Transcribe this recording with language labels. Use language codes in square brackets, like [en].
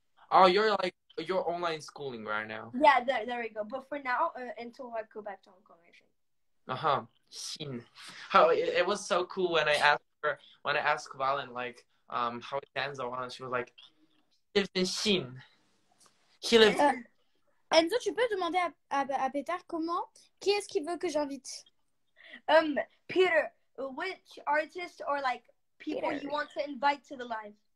[en] Oh, you're online schooling right now. Yeah, there we go. But for now, until I go back to Hong Kong, I think. Uh huh. Oh, it was so cool when I asked her, when I asked Valen like how it stands on, she was like, lives in Xin. He lives. [fr] Enzo, tu peux demander à Peter comment, qui est-ce qu'il veut que j'invite? [en] Peter, which artist or like people Peter. You want to invite to the live?